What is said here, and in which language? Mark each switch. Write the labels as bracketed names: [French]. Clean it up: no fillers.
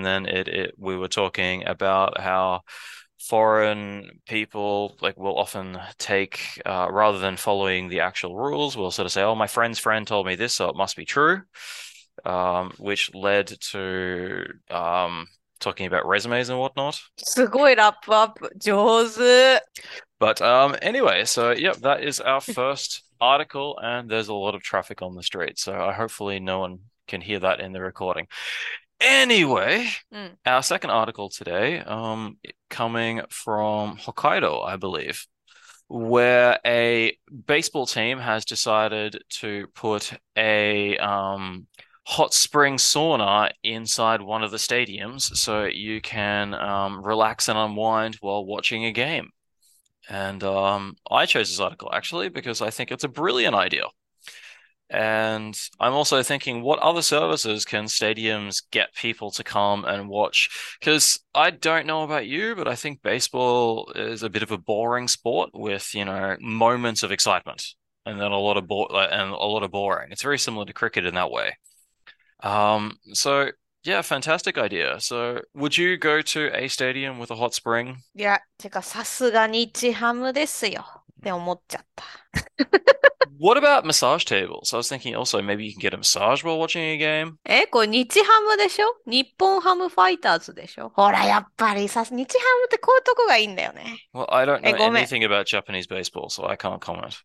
[English] And then we were talking about how foreign people like will often take rather than following the actual rules, will sort of say, "Oh, my friend's friend told me this, so it must be true," which led to talking about resumes and whatnot. [Japanese] すごいラップアップ上手。 [English] But anyway, so yep, that is our first article, and there's a lot of traffic on the street. So I hopefully no one can hear that in the recording. Anyway, our second article today, coming from Hokkaido, I believe, where a baseball team has decided to put a hot spring sauna inside one of the stadiums so you can relax and unwind while watching a game. And I chose this article actually because I think it's a brilliant idea. And I'm also thinking, what other services can stadiums get people to come and watch? Because I don't know about you, but I think baseball is a bit of a boring sport with, moments of excitement and then a lot of boring. It's very similar to cricket in that way. So yeah, fantastic idea. So would you go to a stadium with a hot spring? [Japanese] いや、てか、さすがに日ハムですよ。って思っちゃった。 [English] What about massage tables? I was thinking also maybe you can get a massage while watching a game. [Japanese] え、これ日ハムでしょ？日本ハムファイターズでしょ？ほら、やっぱりさす、日ハムってこういうとこがいいんだよね。 [English] Well, I don't え、 know [Japanese] ごめん。 [English] anything about Japanese baseball, so I can't comment.